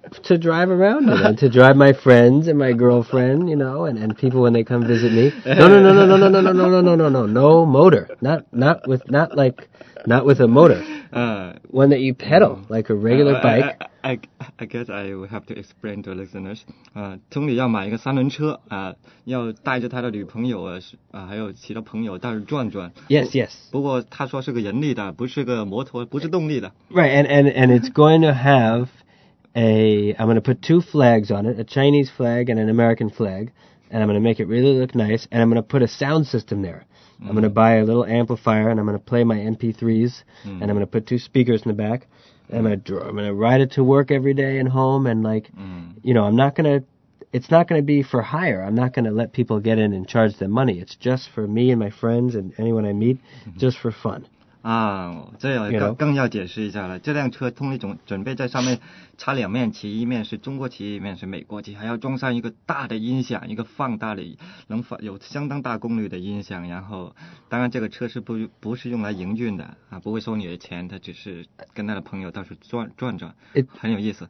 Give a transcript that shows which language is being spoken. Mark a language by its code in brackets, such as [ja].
[en] to drive around in and to drive my friends and my girlfriend, you know, and people when they come visit me. No motor. Not with a motor. One that you pedal like a regular bike. I guess I will have to explain to listeners. [zh] Tony 要买一个三轮车啊，要带着他的女朋友啊，还有其他朋友，但是转转。 [en] Yes, yes. [zh] 不过他说是个人力的，不是个摩托，不是动力的。 [en] Right, and it's going to have a. I'm going to put two flags on it, a Chinese flag and an American flag, and I'm going to make it really look nice, and I'm going to put a sound system there. I'm going to buy a little amplifier, and I'm going to play my MP3s, and I'm going to put two speakers in the back, and I'm going to ride it to work every day and home, and like, you know, it's not going to be for hire. I'm not going to let people get in and charge them money. It's just for me and my friends and anyone I meet, just for fun. [zh] 啊，这要更要解释一下了。这辆车通力准备在上面插两面旗，一面是中国旗，一面是美国旗，还要装上一个大的音响，一个放大的能放有相当大功率的音响。然后，当然这个车是不是用来营运的啊，不会收你的钱，它只是跟他的朋友到处转，很有意思。